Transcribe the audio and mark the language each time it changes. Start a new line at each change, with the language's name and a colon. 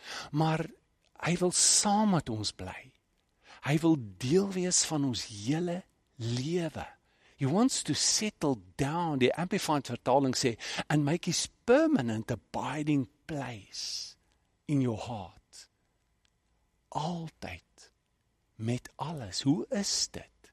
Afrikaans: Maar hy wil saam met ons bly. Hy wil deel wees van ons hele lewe.
English: He wants to settle down,
Afrikaans: die Amplified vertaling sê,
English: and make his permanent abiding place in your heart.
Afrikaans: Altyd, met alles, hoe is dit?